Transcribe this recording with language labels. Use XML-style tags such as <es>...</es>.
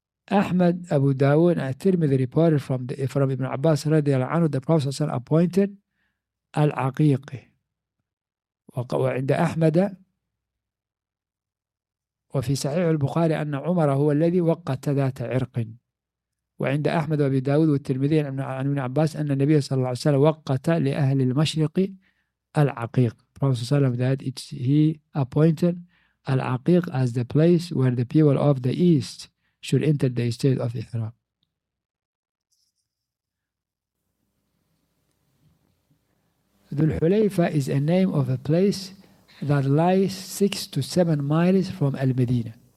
<en>Ahmad, Abu Dawud, and Tirmidhi reported from Ibn Abbas radiallahu anhu, the Prophet appointed al-Aqiqi.</en> <ar>وعند أحمد وفي صحيح البخاري أن عمر هو الذي وقت ذات عرق. وعند أحمد وأبي داود والترمذي عن ابن عباس أن النبي صلى الله عليه وسلم وقت لأهل المشرق العقيق. الرسول صلى الله عليه وسلم</ar> <en>that he appointed Al-Aqiq as the place where the people of the East should enter the state of Ihram. Dhul-Hulayfa is a name of a place that lies 6 to 7 miles from Al-Medina.</en>